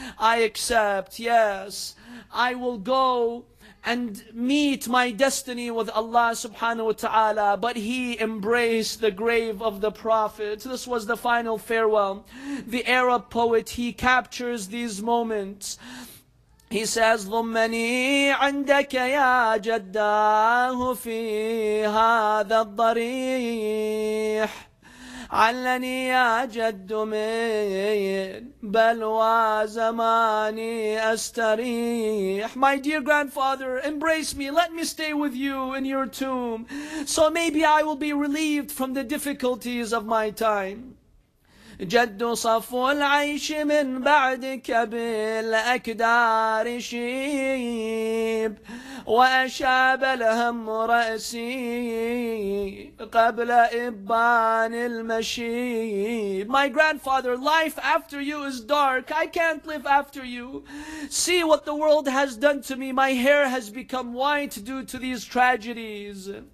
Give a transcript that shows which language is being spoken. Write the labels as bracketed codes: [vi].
[en] I accept. Yes, I will go and meet my destiny with Allah subhanahu wa ta'ala. But he embraced the grave of the Prophet. This was the final farewell. The Arab poet, he captures these moments. He says, [ar] ضمني عندك يا جداه في هذا الضريح علني يا جد من بلوى زماني أستريح. [en] My dear grandfather, embrace me. Let me stay with you in your tomb. So maybe I will be relieved from the difficulties of my time. [ar] جد صفو العيش من بعدك بالأكدار شيب وأشاب الهم رأسي قبل إبان المشيب. [en] My grandfather, life after you is dark. I can't live after you. See what the world has done to me. My hair has become white due to these tragedies.